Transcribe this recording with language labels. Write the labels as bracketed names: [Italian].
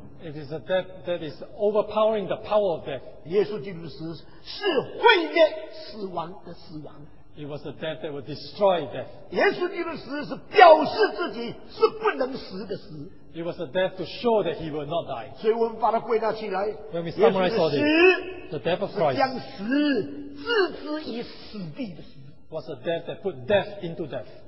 [English] It is a death that is overpowering the power of death. [Chinese] 耶稣基督的死是毁灭死亡的死亡。 [English] It was a death that would destroy death. [Chinese] 耶稣基督的死是表示自己是不能死的死。 [English] It was a death to show that he will not die. [Chinese] 所以我们把它归纳起来, [English] when we summarize all this, the death of Christ [Chinese] 是将死置之于死地的死。 [English] Was a death that put death into death.